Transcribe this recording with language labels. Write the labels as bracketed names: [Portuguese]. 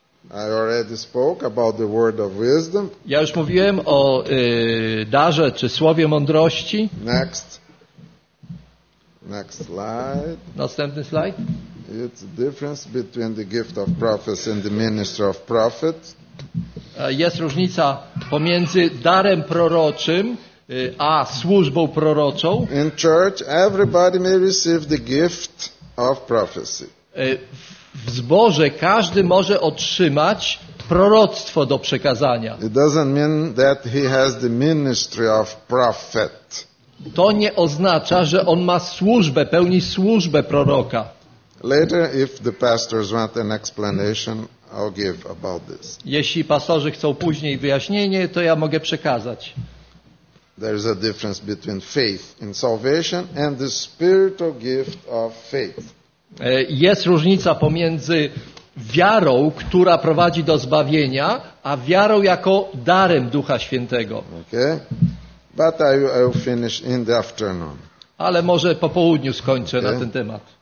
[English] I already spoke about the word of wisdom. [Polish] Ja już mówiłem o darze czy słowie mądrości. [English] Next slide. [Polish] Następny slajd. [English] It's the difference between the gift of prophecy and the ministry of prophet. [Polish] Jest różnica pomiędzy darem proroczym a służbą proroczą. [English] In church, everybody may receive the gift of prophecy. [Polish] W zborze każdy może otrzymać proroctwo do przekazania. [English] It doesn't mean that he has the ministry of prophet. [Polish] To nie oznacza, że on ma służbę, pełni służbę proroka. [English] Later, if the pastors want an explanation, I'll give about this. [Polish] Jeśli pastorzy chcą później wyjaśnienie, to ja mogę przekazać. [English] There is a difference between faith in salvation and the spiritual gift of faith. [Polish] Jest różnica pomiędzy wiarą, która prowadzi do zbawienia, a wiarą jako darem Ducha Świętego. [English] Okay. But I will finish in the afternoon. [Polish] Ale może po południu skończę na ten temat.